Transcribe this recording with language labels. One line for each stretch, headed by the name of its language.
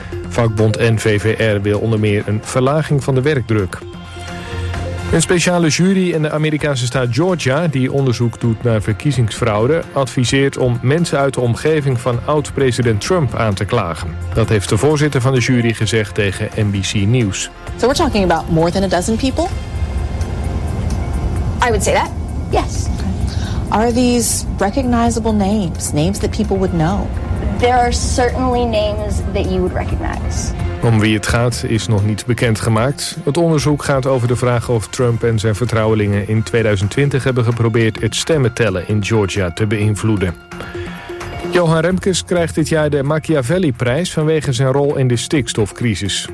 Dutch: Vakbond NVVR wil onder meer een verlaging van de werkdruk. Een speciale jury in de Amerikaanse staat Georgia, die onderzoek doet naar verkiezingsfraude, adviseert om mensen uit de omgeving van oud-president Trump aan te klagen. Dat heeft de voorzitter van de jury gezegd tegen NBC News.
English: So we're talking about more than a dozen people? I would say that. Yes. Okay. Are these recognizable names? Names that people would know? There are certainly names that you would recognize.
Dutch: Om wie het gaat is nog niet bekendgemaakt. Het onderzoek gaat over de vraag of Trump en zijn vertrouwelingen in 2020 hebben geprobeerd het stemmentellen in Georgia te beïnvloeden. Johan Remkes krijgt dit jaar de Machiavelli-prijs vanwege zijn rol in de stikstofcrisis.